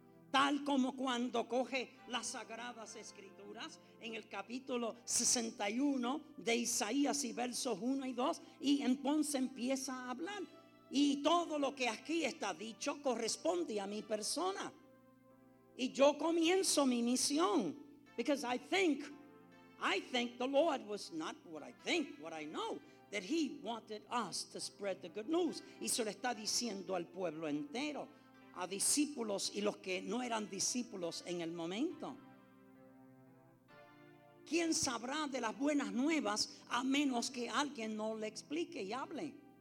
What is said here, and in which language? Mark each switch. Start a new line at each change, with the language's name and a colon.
Spanish: Tal como cuando coge las sagradas escrituras en el capítulo 61 de Isaías y versos 1 y 2. Y entonces empieza a hablar. Y todo lo que aquí está dicho corresponde a mi persona. Y yo comienzo mi misión.
English: Because I think the Lord was not what I think, what I know, that he wanted us to spread the good news.
Spanish: Y se lo está diciendo al pueblo entero, a discípulos y los que no eran discípulos en el momento. ¿Quién sabrá de las buenas nuevas a menos que alguien no le explique y hable?